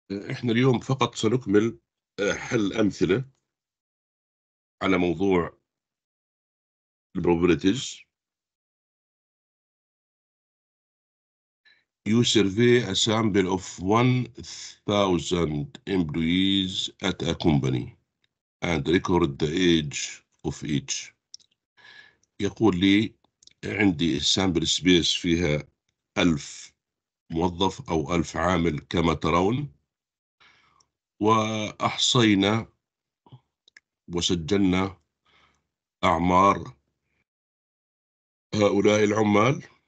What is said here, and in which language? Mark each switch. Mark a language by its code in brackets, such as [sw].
[ar] إحنا اليوم فقط سنكمل حل أمثلة على موضوع probabilities. [en] You survey a sample of 1,000 employees at a company and record the age of each. [ar] يقول لي عندي sample space فيها 1,000 موظف أو 1,000 عامل كما ترون، وأحصينا وسجلنا أعمار هؤلاء العمال.